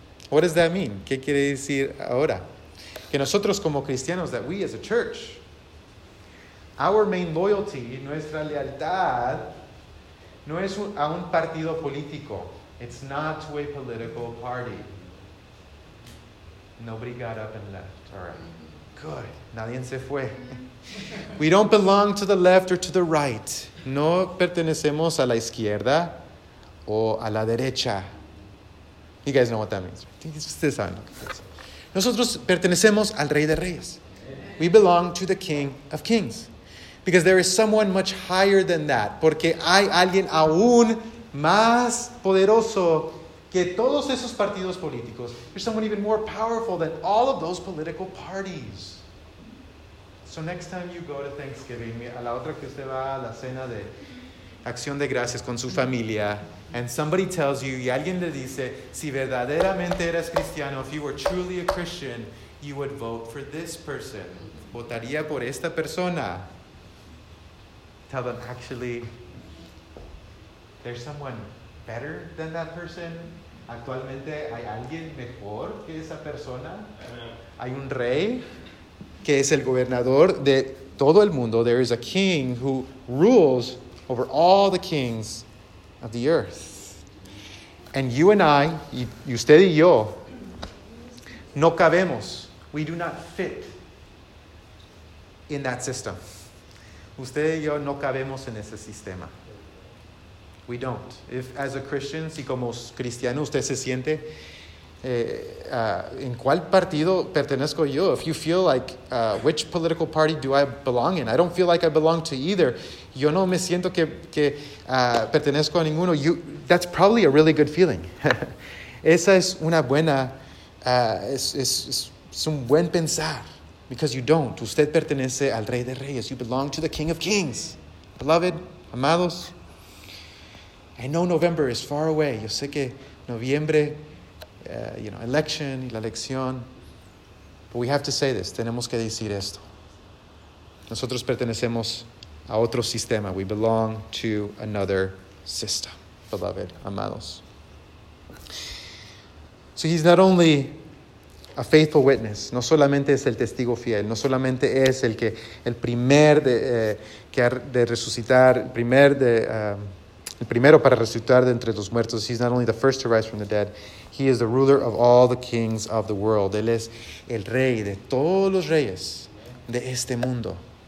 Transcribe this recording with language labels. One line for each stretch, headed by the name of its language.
English: What does that mean?
Spanish: ¿Qué quiere decir ahora? Que nosotros como cristianos,
English: that we as a church, our main loyalty,
Spanish: nuestra lealtad, no es a un partido político.
English: It's not to a political party. Nobody got up and left. All right. Good.
Spanish: Nadie se fue.
English: We don't belong to the left or to the right.
Spanish: No pertenecemos a la izquierda o a la derecha.
English: You guys know what that means.
Spanish: Ustedes saben lo que es. Nosotros pertenecemos al Rey de Reyes.
English: We belong to the King of Kings. Because there is someone much higher than that.
Spanish: Porque hay alguien aún más poderoso que todos esos partidos políticos.
English: There's someone even more powerful than all of those political parties. So next time you go to Thanksgiving,
Spanish: a la otra que usted va a la cena de Acción de Gracias con su familia,
English: and somebody tells you,
Spanish: y alguien le dice, si verdaderamente eras cristiano,
English: if you were truly a Christian, you would vote for this person.
Spanish: Votaría por esta persona.
English: Tell them, actually, there's someone better than that person.
Spanish: Actualmente hay alguien mejor que esa persona. Hay un rey que es el gobernador de todo el mundo.
English: There is a king who rules over all the kings of the earth. And you and I,
Spanish: y usted y yo, no cabemos.
English: We do not fit in that system.
Spanish: Usted y yo no cabemos en ese sistema.
English: We don't. If as a Christian,
Spanish: si como cristiano usted se siente, ¿en cuál partido pertenezco yo?
English: If you feel like, which political party do I belong in? I don't feel like I belong to either.
Spanish: Yo no me siento que pertenezco a ninguno.
English: That's probably a really good feeling.
Spanish: Esa es una buena, es un buen pensar.
English: Because you don't.
Spanish: Usted pertenece al Rey de Reyes.
English: You belong to the King of Kings. Beloved, amados. I know November is far away.
Spanish: Yo sé que noviembre,
English: you know, election
Spanish: y la elección.
English: But we have to say this.
Spanish: Tenemos que decir esto. Nosotros pertenecemos a otro sistema.
English: We belong to another system. Beloved, amados. So he's not only a faithful witness.
Spanish: No solamente es el testigo fiel. No solamente es el que el primer de resucitar, el primero para resucitar de entre los muertos.
English: He's not only the first to rise from the dead. He is the ruler of all the kings of the world.
Spanish: Él es el rey de todos los reyes de este mundo.